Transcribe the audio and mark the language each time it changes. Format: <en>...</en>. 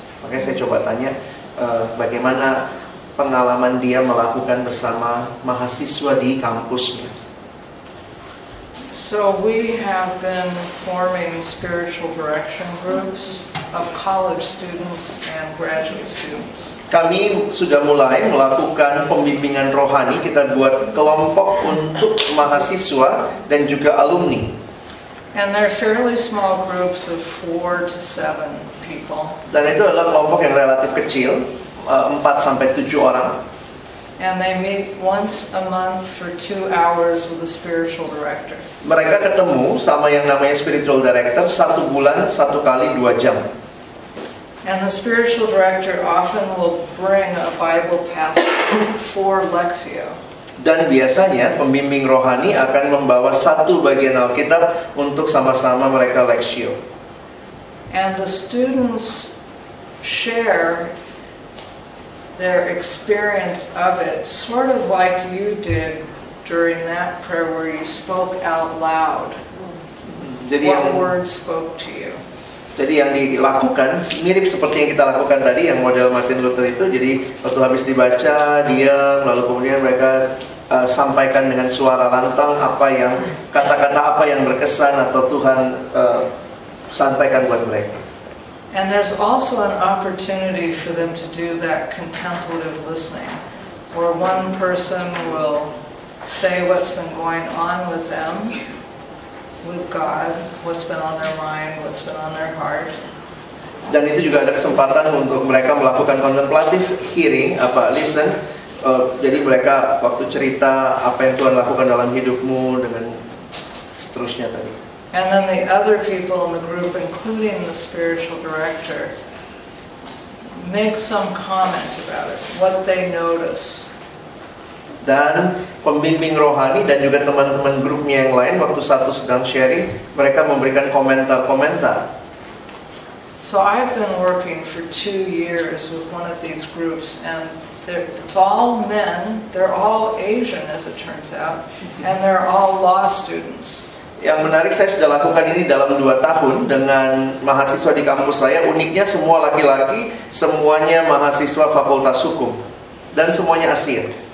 <id>Makanya saya coba tanya bagaimana pengalaman dia melakukan bersama mahasiswa di kampusnya.</id> <en>So we have been forming spiritual direction groups of college students and graduate students.</en> <id>Kami sudah mulai melakukan pembimbingan rohani. Kita buat kelompok untuk mahasiswa dan juga alumni.</id> <en>And they're fairly small groups of 4 to 7 people.</en> <id>Dan itu adalah kelompok yang relatif kecil, 4 sampai 7 orang.</id> <en>And they meet once a month for 2 hours with a spiritual director.</en> <id>Mereka ketemu sama yang namanya spiritual director 1 bulan 1 kali 2 jam.</id> <en>And the spiritual director often will bring a Bible passage for Lectio.</en> <id>Dan biasanya pembimbing rohani akan membawa satu bagian Alkitab untuk sama-sama mereka Lectio.</id> <en>And the students share their experience of it, sort of like you did during that prayer where you spoke out loud.</en> <id>Jadi</id> <en>what word spoke to you?</en> <id>Jadi yang dilakukan mirip seperti yang kita lakukan tadi, yang model Martin Luther itu. Jadi waktu habis dibaca, diam, lalu kemudian mereka sampaikan dengan suara lantang apa yang kata-kata apa yang berkesan atau Tuhan sampaikan buat mereka.</id> <en>And there's also an opportunity for them to do that contemplative listening, where one person will say what's been going on with them, with God, what's been on their mind, what's been on their heart.</en> <id>Dan itu juga ada kesempatan untuk mereka melakukan contemplative hearing, apa listen. Jadi mereka waktu cerita apa yang Tuhan lakukan dalam hidupmu dengan seterusnya tadi.</id> <en>And then the other people in the group, including the spiritual director, make some comment about it, what they notice.</en> <id>Dan pembimbing rohani dan juga teman-teman grupnya yang lain waktu satu sedang sharing, mereka memberikan komentar-komentar.</id> <en>So I've been working for 2 years with one of these groups, and it's all men, they're all Asian as it turns out, and they're all law students.</en> <id>Yang menarik, saya sudah lakukan ini dalam 2 tahun dengan mahasiswa di kampus saya. Uniknya semua laki-laki, semuanya mahasiswa fakultas hukum, dan semuanya Asia.</id>